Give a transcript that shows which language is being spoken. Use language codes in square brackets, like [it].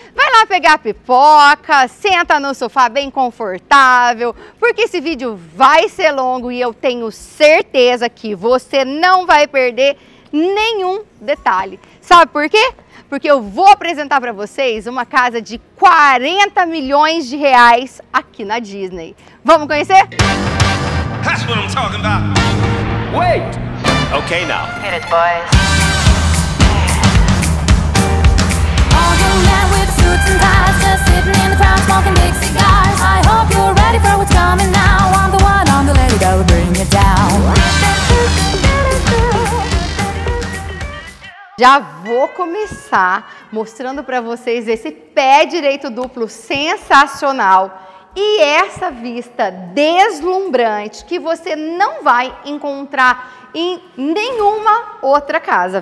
[pt] Vai lá pegar a pipoca, senta no sofá bem confortável, porque esse vídeo vai ser longo e eu tenho certeza que você não vai perder nenhum detalhe. Sabe por quê? Porque eu vou apresentar para vocês uma casa de 40 milhões de reais aqui na Disney. Vamos conhecer? [en] That's what I'm talking about. Wait. Okay now. Hit it, boys. All the men with suits and ties just sitting in the crowd smoking big cigars. I hope you're ready for what's coming now. I'm the one on the lady that will bring it down. [pt] Já vou começar mostrando para vocês esse pé direito duplo sensacional e essa vista deslumbrante que você não vai encontrar em nenhuma outra casa.